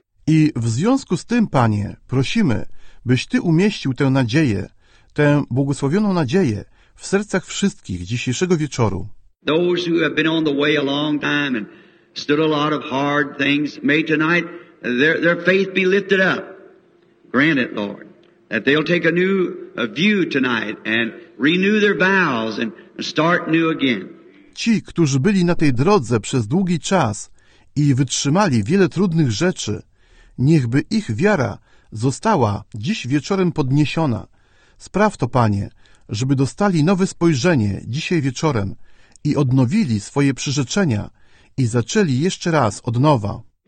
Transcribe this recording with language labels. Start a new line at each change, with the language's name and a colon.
Polish: I w związku z tym, Panie, prosimy, byś Ty umieścił tę nadzieję, tę błogosławioną nadzieję w sercach wszystkich dzisiejszego wieczoru.
English: Those who have been on the way a long time and stood a lot of hard things, may tonight their faith be lifted up. Grant it, Lord, that they'll take a new view tonight and renew their vows and start new again.
Polish: Ci, którzy byli na tej drodze przez długi czas i wytrzymali wiele trudnych rzeczy, niechby ich wiara została dziś wieczorem podniesiona. Spraw to, Panie, żeby dostali nowe spojrzenie dzisiaj wieczorem i odnowili swoje przyrzeczenia i zaczęli jeszcze raz od nowa.